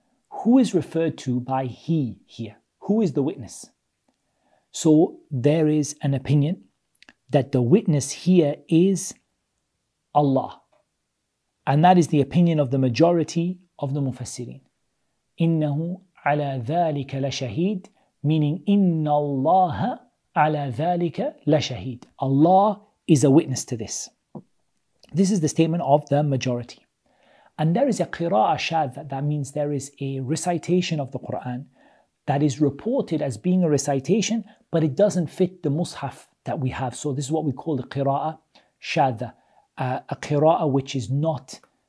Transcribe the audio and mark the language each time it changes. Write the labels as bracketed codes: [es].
[en] Who is referred to by he here? Who is the witness? So there is an opinion that the witness here is Allah. And that is the opinion of the majority of the Mufassirin. [ar] إِنَّهُ عَلَى ذَٰلِكَ لَشَهِيدٌ, [en] meaning [ar] إِنَّ اللَّهَ عَلَى ذَٰلِكَ لَشَهِيدٌ. [en] Allah is a witness to this. This is the statement of the majority. And there is a qira'a shadh, that means there is a recitation of the Qur'an that is reported as being a recitation, but it doesn't fit the mushaf that we have. So this is what we call the qira'a shadh, a qira'a which is not